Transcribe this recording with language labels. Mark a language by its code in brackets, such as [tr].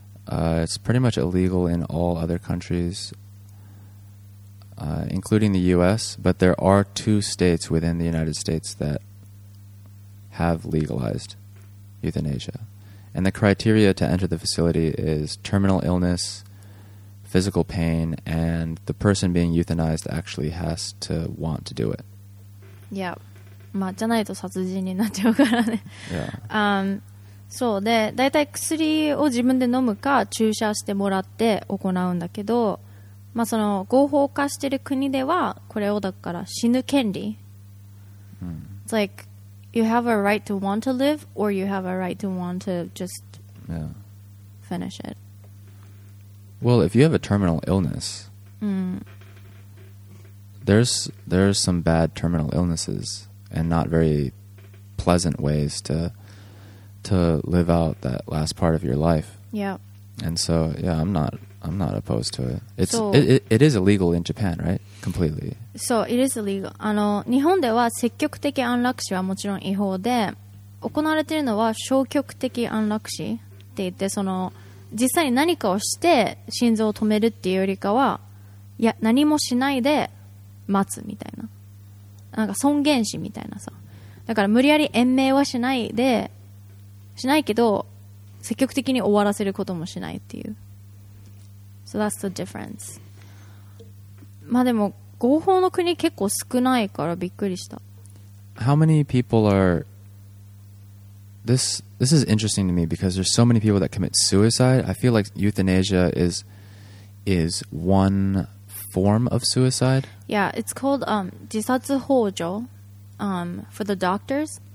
[en] It's pretty much illegal in all other countries, including the U.S., but there are two states within the United States that have legalized euthanasia. And the criteria to enter the facility is terminal illness, physical pain, and the person being euthanized actually has to want to do it. [ja] いや、まあ、じゃないと殺人になっちゃうからね、 yeah. そうで、だいたい薬を自分で飲むか注射してもらって行うんだけど、まあ、その合法化してる国ではこれをだから死ぬ権利、 mm. [en] It's like you have a right to want to live or you have a right to want to just、 yeah. finish it. Well, if you have a terminal illness、 mm. There's some bad terminal illnesses and not very pleasant ways to live out that last part of your life. Yeah. And so, yeah, I'm not opposed to it. It is illegal in Japan, right? Completely. So, it is illegal. [ja] 日本では積極的安楽死はもちろん違法で、行われているのは消極的安楽死って言って、その実際に何かをして心臓を止めるっていうよりかは、いや、何もしないで待つみたいな、なんか尊厳死みたいなさ、だから無理やり延命はしないで、しないけど積極的に終わらせることもしないっていう。 [en] So that's the difference. [ja] まあでも合法の国結構少ないからびっくりした。 [en] How many people are this is interesting to me because there's so many people that commit suicide. I feel like euthanasia is oneform of suicide? Yeah, it's called [ja] 自殺ほう助 [en] for the doctors.